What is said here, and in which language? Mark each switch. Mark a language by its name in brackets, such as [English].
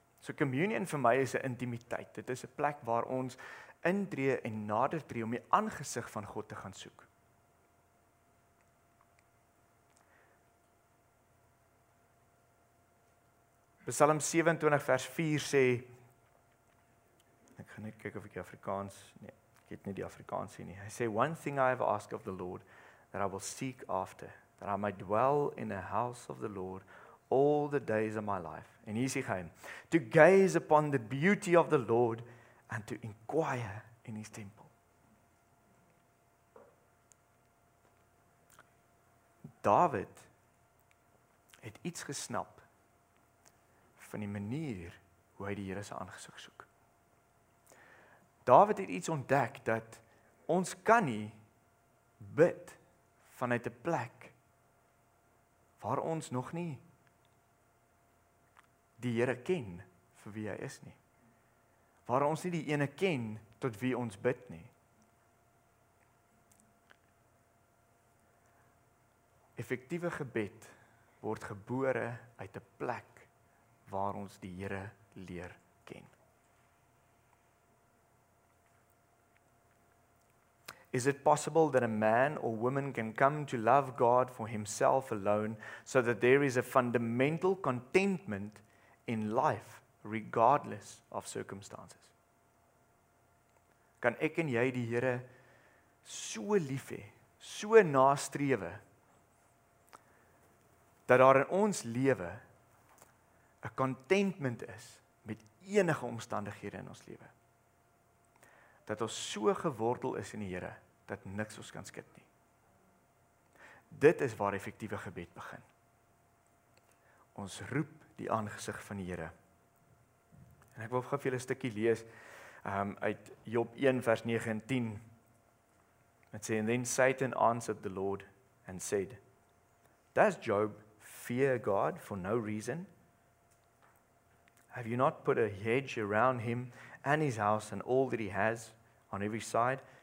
[Afrikaans] So communion vir my is 'n intimiteit. Dit is 'n plek waar ons intree en nader tree om die aangesig van God te gaan soek. Psalm 27 vers 4 sê, ek gaan net kyk of ek die Afrikaans, nee, ek het nie die Afrikaans hier nie. Hy sê, [English] one thing I have asked of the Lord, that I will seek after, that I might dwell in the house of the Lord all the days of my life. [Afrikaans] En hier sê hy, [English] to gaze upon the beauty of the Lord and to inquire in his temple. [Afrikaans] David het iets gesnap van die manier hoe hy die Here se aangesig soek. David het iets ontdek dat ons kan nie bid vanuit 'n plek waar ons nog nie die Here ken vir wie hy is nie. Waar ons nie die ene ken tot wie ons bid nie. Effektiewe gebed word gebore uit 'n plek waar ons die Here leer ken. [English] Is it possible that a man or woman can come to love God for himself alone so that there is a fundamental contentment in life regardless of circumstances? [Afrikaans] Kan ek en jy die Here so lief hê, so nastrewe dat daar in ons lewe 'n contentment is met enige omstandighede in ons lewe? Dat ons so gewortel is in die Here dat niks ons kan skud nie. Dit is waar effektiewe gebed begin. Ons roep die aangesig van die Here. En ek wil gou vir julle 'n stukkie lees uit Job 1 vers 9 en 10. [English] It says, and then Satan answered the Lord and said, does Job fear God for no reason? Have you not put a hedge around him and his house and all that he has on every side?